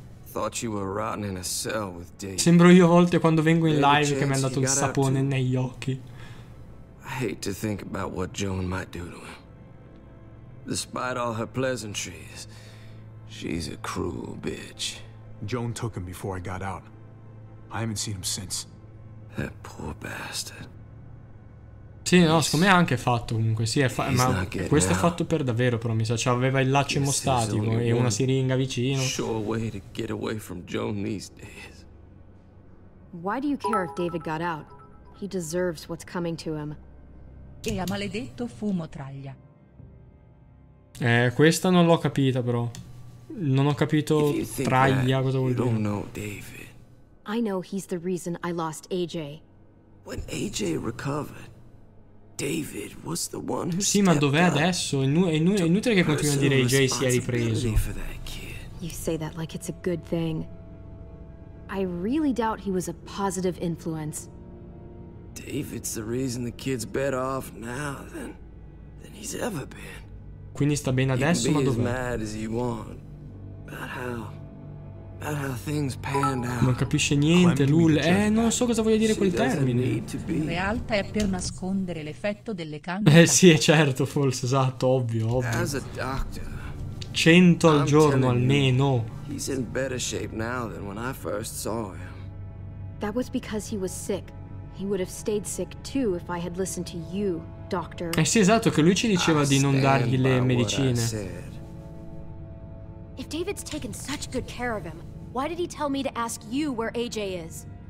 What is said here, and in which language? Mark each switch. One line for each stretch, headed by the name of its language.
Italian: Sembro io a volte quando vengo in live che mi è andato il sapone negli occhi.
English: I hate to think about what Joan might do to him. Despite all her pleasantries, she's a cruel bitch. Joan took him before I got out. I haven't seen him since. That poor bastard.
Italian: Sì, no, secondo me è anche fatto comunque. Sì, ma questo è fatto per davvero, però mi sa. Cioè, aveva il laccio emostatico e una siringa vicino.
English: Sure way to get away from Joan these days. Why do you care if David got out? He deserves what's coming to him.
Italian: E ha maledetto fumo traglia. Questa non l'ho capita, però. Non ho capito traglia
English: that,
Italian: cosa vuol dire.
English: You don't know David. I know he's the reason I lost AJ. When AJ recovered, David was the one who
Italian: sì, ma dov'è adesso? È inutile che continui a dire AJ si è ripreso.
English: You say that like it's a good thing. I really doubt he was a positive influence. David's the reason the kid's better off now than he's ever been.
Italian: Quindi sta bene adesso, ma dov'è? Non capisce niente, Lul. Non so cosa voglia dire quel termine. Realtà è per nascondere l'effetto delle candele. Eh sì, è certo, forse, esatto, ovvio, ovvio. 100 al giorno almeno.
English: He's in better shape now than when I first saw him. That was because he was sick. He would have stayed sick too if I had listened to you, doctor.
Italian: Eh sì, esatto, che lui ci diceva di non dargli le medicine.
English: If David's taken such good care of him, why did he tell me to ask you where AJ is?